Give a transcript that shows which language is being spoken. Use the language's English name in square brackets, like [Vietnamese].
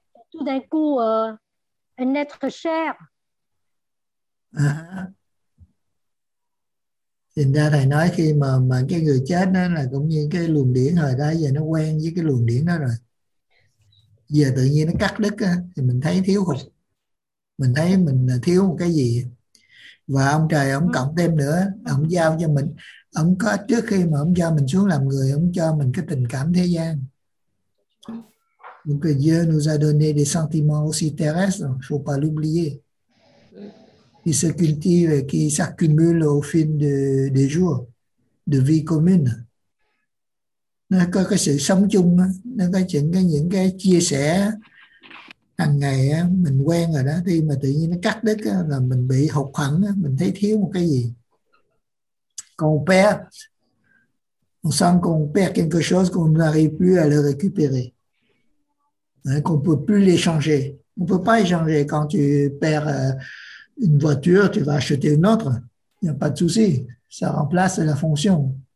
[French] Tout d'un coup, un être cher. [Vietnamese] Thì ra thầy nói khi mà cái người chết đó là cũng như cái luồng điển hồi đó, giờ nó quen với cái luồng điển đó rồi. Giờ tự nhiên nó cắt đứt á, thì mình thấy thiếu hụt. Mình thấy mình thiếu một cái gì. Và ông trời ông cộng thêm nữa, ông giao cho mình, ông có trước khi mà ông cho mình xuống làm người, ông cho mình cái tình cảm thế gian. [French] Donc Dieu nous a donné des sentiments aussi terrestres, faut pas l'oublier. Qui se cultive et qui s'accumule au fil des jours de vie commune. [Vietnamese] Nó có cái sự sống chung, nó có những cái chia sẻ hàng ngày á, mình quen rồi đó, khi mà tự nhiên nó cắt đứt á, là mình bị hụt hẳn á, mình thấy thiếu một cái gì. [French] Quand on perd, on sent qu'on perd quelque chose qu'on n'arrive plus à le récupérer, hein, qu'on ne peut plus l'échanger. On ne peut pas échanger. Quand tu perds une voiture, tu vas acheter une autre, il n'y a pas de souci, ça remplace la fonction.